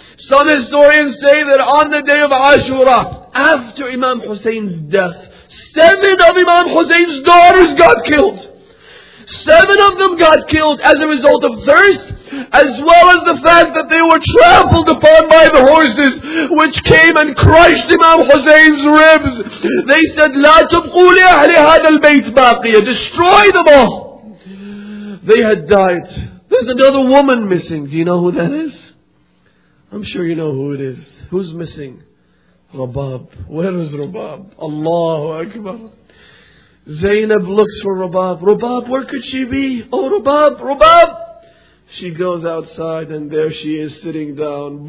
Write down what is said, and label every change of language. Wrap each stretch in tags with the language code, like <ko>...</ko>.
<en>Some historians say that on the day of Ashura, after Imam Hussein's death, 7 of Imam Hussein's daughters got killed. 7 of them got killed as a result of thirst, as well as the fact that they were trampled upon by the horses, which came and crushed Imam Hussein's ribs. They said,</en> <ar>لا تبقوا لأهل هذا البيت باقية.</ar> <en>Destroy them all. They had died. There's another woman missing. Do you know who that is? I'm sure you know who it is. Who's missing? Rabab. Where is Rabab? Allahu Akbar. Zainab looks for Rabab. Rabab, where could she be? Oh, Rabab, Rabab. She goes outside and there she is sitting down.</en>